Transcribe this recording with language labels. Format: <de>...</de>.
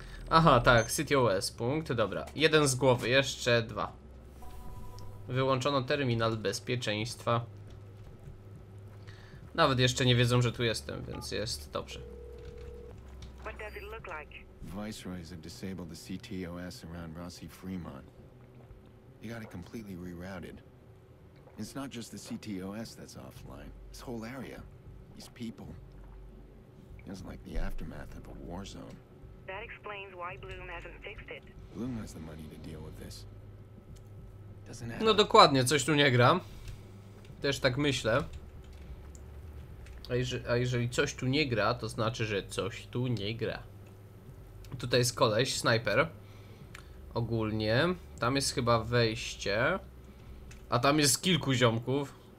<pl>Aha, tak, CityOS punkt, dobra. Jeden z głowy, jeszcze dwa. Wyłączono terminal bezpieczeństwa. Nawet jeszcze nie wiedzą, że tu jestem, więc jest dobrze.</pl> <en>What does it look like? Viceroys have disabled the CTOS around Rossi Fremont. You got it completely rerouted. It's not just the CTOS that's offline. This whole area, these people. It isn't like the aftermath of a war zone. That explains why Bloom hasn't fixed it. Bloom has the money to deal with this.</en> <pl>No dokładnie, coś tu nie gra. Też tak myślę. A jeżeli coś tu nie gra, to znaczy, że coś tu nie gra. Tutaj jest koleś, snajper. Ogólnie. Tam jest chyba wejście. A tam jest kilku ziomków.</pl>